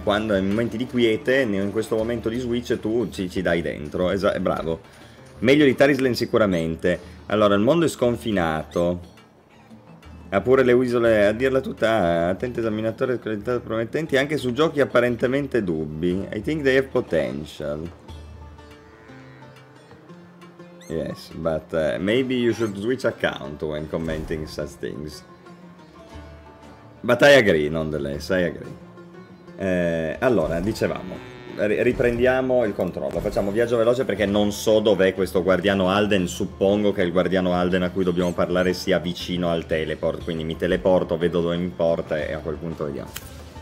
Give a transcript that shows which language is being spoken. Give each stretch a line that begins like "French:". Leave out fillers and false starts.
Italian: Quando in momenti di quiete, in questo momento di switch, tu ci dai dentro. Bravo. Meglio di Tarisland sicuramente. Allora, il mondo è sconfinato. Ha pure le isole, a dirla tutta, attento esaminatore, qualità promettenti, anche su giochi apparentemente dubbi.
English: I think they have potential. Yes, but maybe you should switch account when commenting such things. But I agree, nonetheless, I agree.
Italian: Allora, dicevamo, riprendiamo il controllo, facciamo viaggio veloce perché non so dov'è questo guardiano Alden, suppongo che il guardiano Alden a cui dobbiamo parlare sia vicino al teleport, quindi mi teleporto, vedo dove mi porta e a quel punto vediamo.